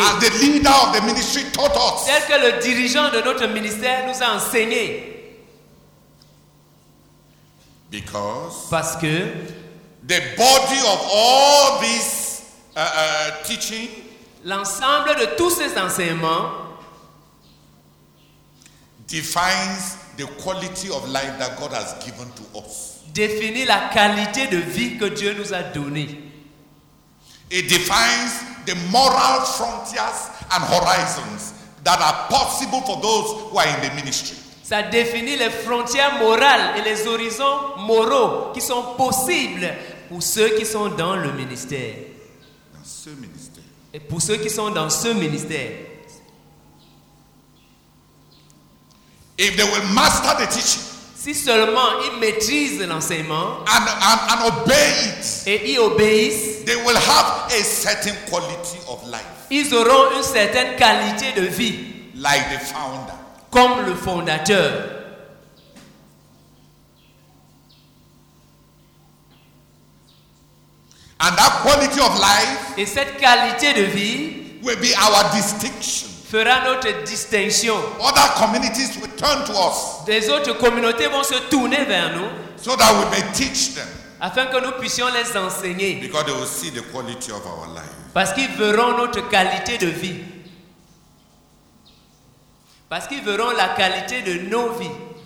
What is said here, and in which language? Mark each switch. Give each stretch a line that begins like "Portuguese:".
English: As the leader of the ministry taught us.
French: Tel que le dirigeant de notre ministère nous a enseigné.
English: Because.
French: Parce que.
English: The body of all this teaching.
French: L'ensemble de tous ces enseignements.
English: Defines. The quality of life that God has given to us.
French: Définit la qualité de vie que Dieu nous a donnée.
English: It defines the moral frontiers and horizons that are possible for those who are in the ministry.
French: Ça définit les frontières morales et les horizons moraux qui sont possibles pour ceux qui sont dans le ministère. Dans ce ministère. Et pour ceux qui sont dans ce ministère.
English: If they will master the teaching,
French: si seulement ils maîtrisent l'enseignement
English: and obey it,
French: et ils obéissent,
English: they will have a certain quality of life.
French: Ils auront une certaine qualité de vie,
English: like the founder,
French: comme le fondateur.
English: And that quality of life,
French: et cette qualité de vie,
English: will be our distinction.
French: Fera notre distinction.
English: Other communities will turn to us.
French: Des autres communautés vont se tourner vers nous.
English: So that we may teach them.
French: Afin que nous puissions les enseigner.
English: Because they will see the quality of our life.
French: Parce qu'ils verront notre qualité de vie. Parce qu'ils verront la qualité de nos vies.